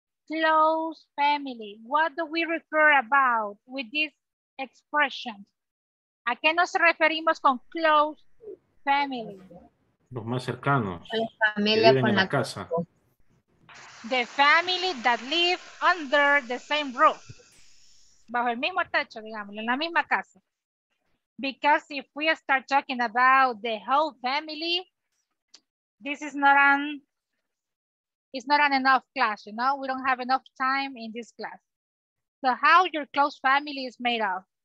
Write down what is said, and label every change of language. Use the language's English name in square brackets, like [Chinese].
[English] Close family. What do we refer about with this expression? [Spanish] ¿A qué nos referimos con close family? Los más cercanos. La familia con la casa. [English] The family that live under the same roof. [Spanish] Bajo el mismo techo, digamos, en la misma casa. [English] Because if we start talking about the whole family, this is not an, it's not an enough class, you know? We don't have enough time in this class. So how your close family is made of?